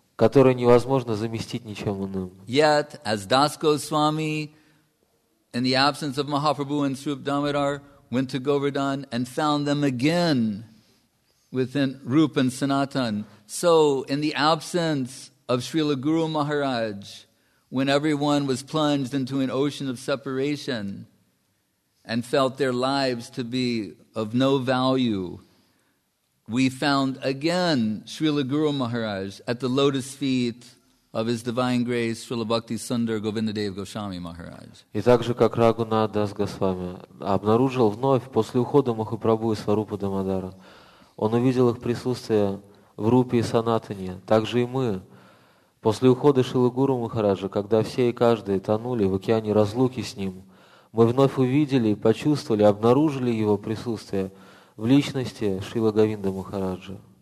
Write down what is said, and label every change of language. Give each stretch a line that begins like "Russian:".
Russian: Которое невозможно заместить ничем иным.
English: Yet, as Das Goswami, in the absence of Mahaprabhu and Srup Damodar, went to Govardhan and found them again within Rupa and Sanatan. So, in the absence of Srila Guru Maharaj, when everyone was plunged into an ocean of separation and felt their lives to be of no value, we found again Srila Guru Maharaj at the lotus feet of His Divine Grace, Srila Bhakti Sundar Govindadev Goswami Maharaj.
Russian: И также, как Рагунат Дас Госвами обнаружил вновь после ухода Махапрабху и Сварупа Дамодара, он увидел их присутствие в Рупе и Санатане. Также и мы, после ухода Шрилы Гуру Махараджа, когда все и каждый тонули в океане разлуки с ним, мы вновь увидели, почувствовали, обнаружили его присутствие в личности Шрилы Говинда Махараджа.